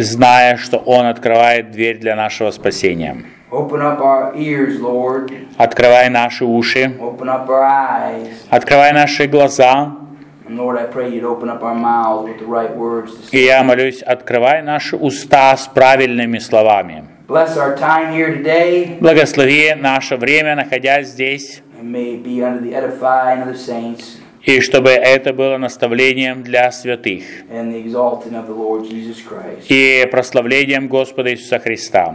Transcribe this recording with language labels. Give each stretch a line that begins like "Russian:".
Russian: Зная, что он открывает дверь для нашего спасения.
English: Open up our ears, Lord.
Russian: Открывай наши уши.
English: Open up our eyes.
Russian: Открывай наши глаза.
English: Lord, I pray you'd open up our mouths with the right words.
Russian: И я молюсь, открывай наши уста с правильными словами.
English: Bless our time here today.
Russian: Благослови наше время, находясь здесь.
English: And may it be under the edifying of the saints.
Russian: И чтобы это было наставлением для святых.
English: And the exalting of the Lord Jesus Christ.
Russian: И прославлением Господа Иисуса Христа.